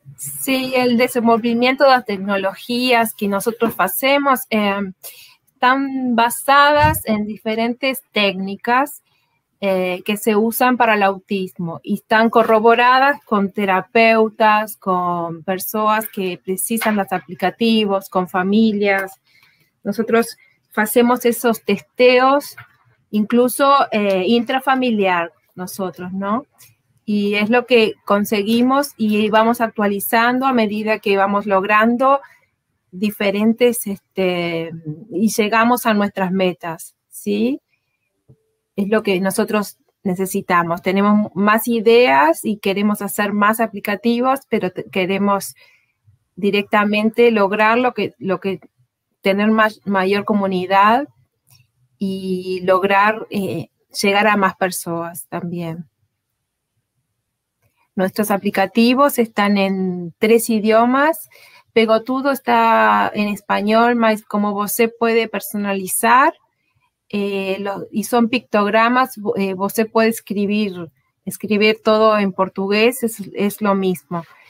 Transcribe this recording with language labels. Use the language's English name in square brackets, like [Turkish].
[Portuguese] Sim, o desenvolvimento das tecnologias que nós fazemos estão basadas em diferentes técnicas que se usam para o autismo e estão corroboradas com terapeutas, com pessoas que precisam dos aplicativos, com famílias. Nós fazemos esses testeos, incluso intrafamiliar. [Spanish] Nosotros, ¿no? Y es lo que conseguimos y vamos actualizando a medida que vamos logrando diferentes, y llegamos a nuestras metas, ¿sí? Es lo que nosotros necesitamos. Tenemos más ideas y queremos hacer más aplicativos, pero queremos directamente lograr lo que tener mayor comunidad y lograr... [Portuguese] chegar a mais pessoas também. Nossos aplicativos estão em 3 idiomas. Pegotudo está em espanhol, mas como você pode personalizar, e são pictogramas, você pode escrever tudo em português, é o mesmo.